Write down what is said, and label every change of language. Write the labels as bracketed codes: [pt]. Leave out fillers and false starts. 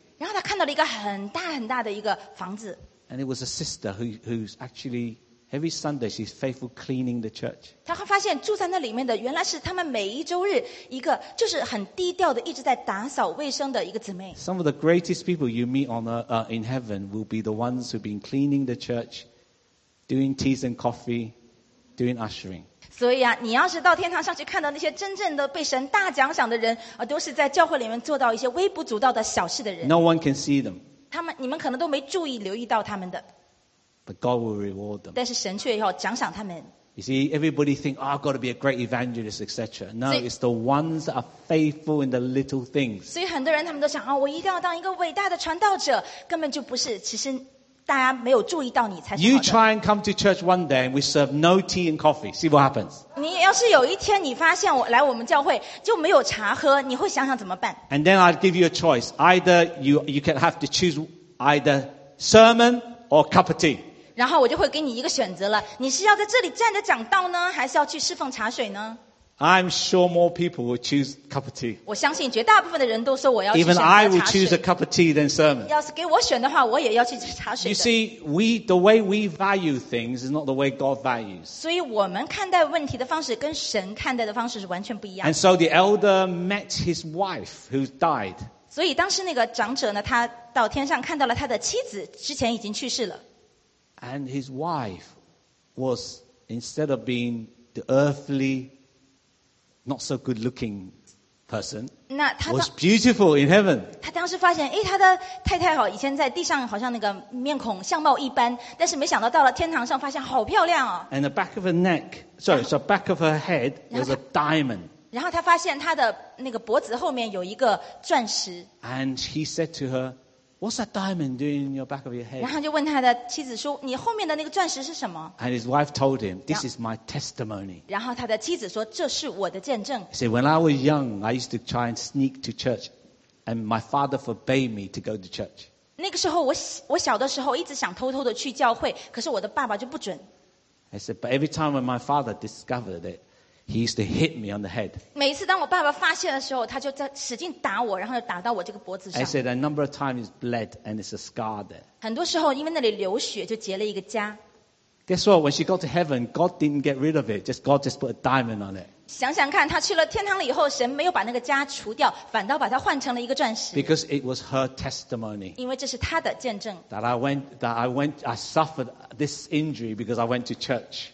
[zh] 然后他看到了一个很大很大的一个房子。 [en] And it was a sister who's actually every Sunday she's faithful cleaning the church. [zh] 他发现住在那里面的原来是他们每一周日一个就是很低调的一直在打扫卫生的一个姊妹。 [en] Some of the greatest people you meet on in heaven will be the ones who've been cleaning the church, doing teas and coffee, doing ushering. [zh] 所以啊，你要是到天堂上去看到那些真正的被神大奖赏的人，都是在教会里面做到一些微不足道的小事的人。 [en] No one can see them. [zh] 他们，你们可能都没注意留意到他们的。 [en] But God will reward them. [zh] 但是神却要奖赏他们。 [en] You see, everybody think, "Oh, I've got to be a great evangelist, etc." No, it's the ones that are faithful in the little things. [zh] 所以很多人他们都想啊，我一定要当一个伟大的传道者，根本就不是。其实。大家没有注意到你才是好的。 [en] You try and come to church one day and we serve no tea and coffee. See what happens. [zh] 你要是有一天你发现我来我们教会就没有茶喝，你会想想怎么办？ [en] And then I'll give you a choice. Either you can have to choose either sermon or cup of tea. [zh] 然后我就会给你一个选择了，你是要在这里站着讲道呢，还是要去侍奉茶水呢？ [en] I'm sure more people will choose a cup of tea. [zh] 我相信绝大部分的人都说我要去选择茶水。 [en] Even I will choose a cup of tea than sermon. [zh] 要是给我选的话，我也要去茶水的。 [en] You see, the way we value things is not the way God values. [zh] 所以我们看待问题的方式跟神看待的方式是完全不一样的。 [en] And so the elder met his wife who died. [zh] 所以当时那个长者呢，他到天上看到了他的妻子，之前已经去世了。 [en] And his wife was instead of being the earthly. Not so good looking person. Was beautiful in heaven. [zh] 他当时发现，哎，他的太太好，以前在地上好像那个面孔相貌一般，但是没想到到了天堂上，发现好漂亮哦。 [en] And the back of her neck, back of her head was a diamond. [zh] 然后他发现他的那个脖子后面有一个钻石。 [en] And he said to her, "What's that diamond doing in your back of your head?" [zh] 然后就问他的妻子说，你后面的那个钻石是什么？ [en] And his wife told him, "This is my testimony." [zh] 然后他的妻子说，这是我的见证。 [en] See, when I was young, I used to try and sneak to church, and my father forbade me to go to church. [zh] 那个时候我小的时候一直想偷偷的去教会，可是我的爸爸就不准。 [en] I said, but every time when my father discovered it, he used to hit me on the head. [zh] 每次当我爸爸发现的时候，他就在使劲打我，然后就打到我这个脖子上。 [en] I said a number of times it's bled and it's a scar there. [zh] 很多时候因为那里流血，就结了一个痂。 [en] Guess what? When she got to heaven, God didn't get rid of it. God just put a diamond on it. [zh] 想想看，她去了天堂了以后，神没有把那个痂除掉，反倒把它换成了一个钻石。 [en] Because it was her testimony. [zh] 因为这是她的见证。 [en] I suffered this injury because I went to church.